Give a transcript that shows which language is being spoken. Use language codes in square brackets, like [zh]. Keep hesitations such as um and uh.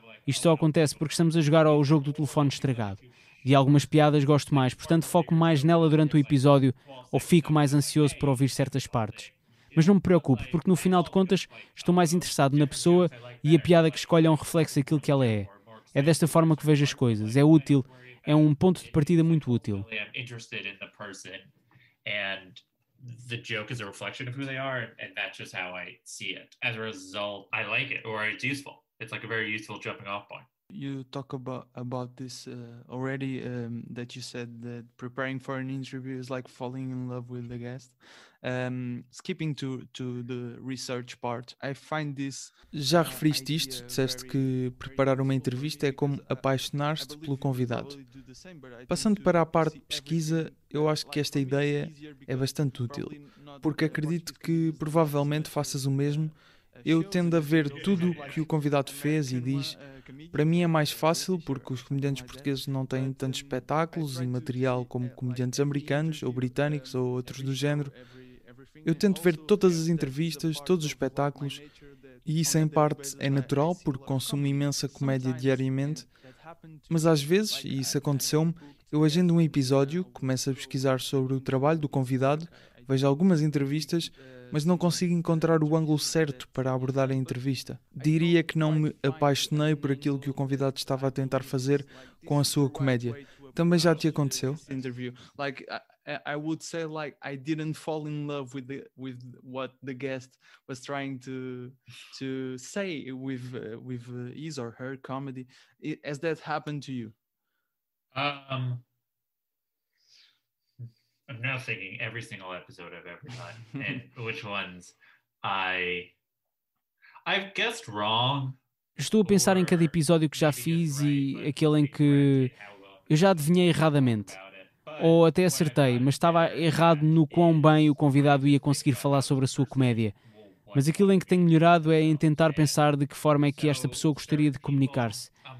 [pt] Isto só acontece porque estamos a jogar ao jogo do telefone estragado. De algumas piadas gosto mais, portanto foco mais nela durante o episódio ou fico mais ansioso por ouvir certas partes. Mas não me preocupe, porque no final de contas estou mais interessado na pessoa e a piada que escolhe é um reflexo daquilo que ela é. É desta forma que vejo as coisas, é útil, é um ponto de partida muito útil. [en] really am interested in the person and the joke is a reflection of who they are and, and that's just how i see it as a result i like it or it's useful it's like a very useful jumping off point You talk about about this uh, already um, that you said that preparing for an interview is like falling in love with the guest. Um, skipping to to the research part, I find this. [pt] Já referiste isto, disseste que preparar uma entrevista é como apaixonar-se pelo convidado. Passando para a parte de pesquisa, eu acho que esta ideia é bastante útil, porque acredito que provavelmente faças o mesmo. Eu tendo a ver tudo o que o convidado fez e diz. Para mim é mais fácil porque os comediantes portugueses não têm tantos espetáculos e material como comediantes americanos ou britânicos ou outros do género. Eu tento ver todas as entrevistas, todos os espetáculos, e isso em parte é natural porque consumo imensa comédia diariamente, mas às vezes, e isso aconteceu-me, eu agendo um episódio, começo a pesquisar sobre o trabalho do convidado, vejo algumas entrevistas, mas não consigo encontrar o ângulo certo para abordar a entrevista. Diria que não me apaixonei por aquilo que o convidado estava a tentar fazer com a sua comédia. Também já te aconteceu? [en] interview. Like I, I would say like I didn't fall in love with the with what the guest was trying to to say with uh, with uh, his or her comedy. I- has that happened to you? um i'm now thinking every single episode i've ever done and which ones i i've guessed wrong [pt] Estou a pensar em cada episódio que já fiz e aquele em que eu já adivinhei erradamente. Ou até acertei, mas estava errado no quão bem o convidado ia conseguir falar sobre a sua comédia. Mas aquilo em que tenho melhorado é em tentar pensar de que forma é que esta pessoa gostaria de comunicar-se.